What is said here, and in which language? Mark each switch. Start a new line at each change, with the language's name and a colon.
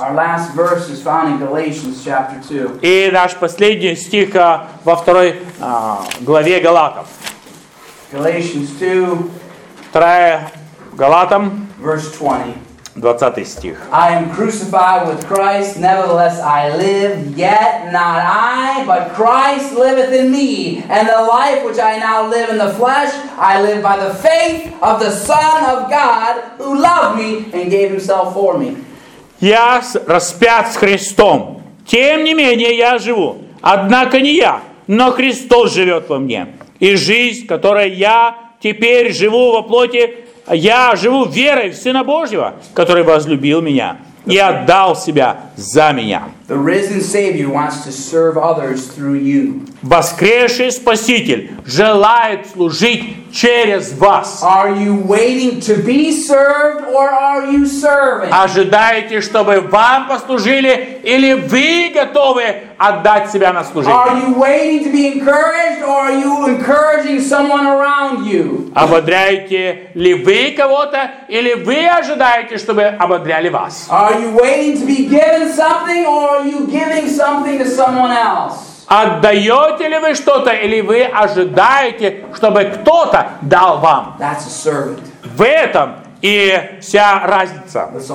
English: Our last verse is found in Galatians chapter 2.
Russian: И наш последний стих во второй главе Галатов.
English: Galatians 2.
Russian: Вторая Галатам.
English: Verse 20.
Russian: 20 стих.
English: I am crucified with Christ, nevertheless I live, yet not I, but Christ liveth in me, and the life which I now live in the flesh, I live by the faith of the Son of God, who loved me and gave himself for me.
Russian: Я распят с Христом, тем не менее я живу, однако не я, но Христос живет во мне, и жизнь, которой я теперь живу во плоти, я живу верой в Сына Божьего, который возлюбил меня и отдал себя за меня.
English: The risen Savior wants to serve others through you.
Russian: Воскресший Спаситель желает служить через вас.
English: Are you waiting to be served or are you serving?
Russian: Ожидаете, чтобы вам послужили, или вы готовы отдать себя на служение?
English: Are you waiting to be encouraged or are you encouraging someone around you?
Russian: Ободряете ли вы кого-то, или вы ожидаете, чтобы ободряли вас?
English: Are you waiting to be given something or are you giving something to someone else?
Russian: Отдаете ли вы что-то, или вы ожидаете, чтобы кто-то дал вам? В этом и вся разница.